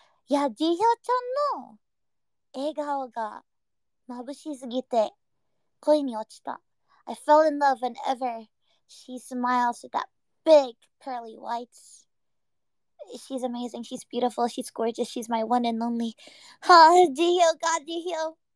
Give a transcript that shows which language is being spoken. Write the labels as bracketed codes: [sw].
[ja] いや、ジヒョちゃんの笑顔が眩しすぎて恋に落ちた。 [en] I fell in love whenever she smiles with that big pearly whites. She's amazing, she's beautiful, she's gorgeous, she's my one and only. Ha, ジヒョ、ガッジヒョ。